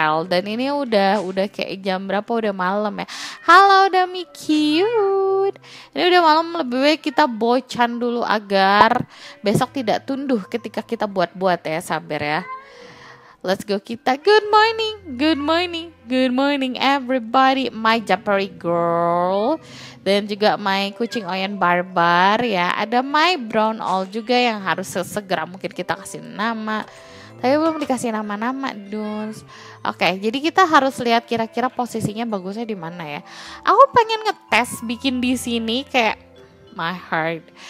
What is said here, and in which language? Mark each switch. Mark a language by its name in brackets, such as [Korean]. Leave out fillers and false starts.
[Indonesian] Dan ini udah kayak jam berapa, udah malam ya. Halo Dami cute. Ini udah malam, lebih baik kita bocan dulu agar besok tidak tunduh ketika kita buat-buat ya, sabar ya. [English] Let's go [Indonesian] kita. [English] Good morning everybody. My Japari girl. [Indonesian] Dan juga my kucing Oyen Barbar ya. Ada [English] my brown owl [Indonesian] juga yang harus segera mungkin kita kasih nama. Tapi belum dikasih nama-nama, Duns. Oke, jadi kita harus lihat kira-kira posisinya bagusnya di mana ya. Aku pengen ngetes bikin di sini kayak [English] my heart.